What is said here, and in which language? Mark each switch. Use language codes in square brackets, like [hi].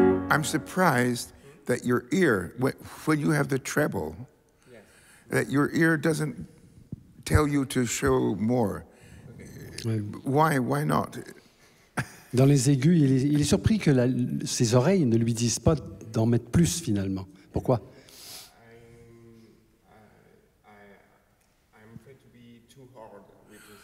[en] I'm surprised that your ear, when you have the treble, yes, that your ear doesn't tell you to show more. Okay. Why not? [fr] Dans les aigus, il est surpris que ses oreilles ne lui disent pas d'en mettre plus, finalement. Pourquoi? [en] I'm afraid to be too hard with the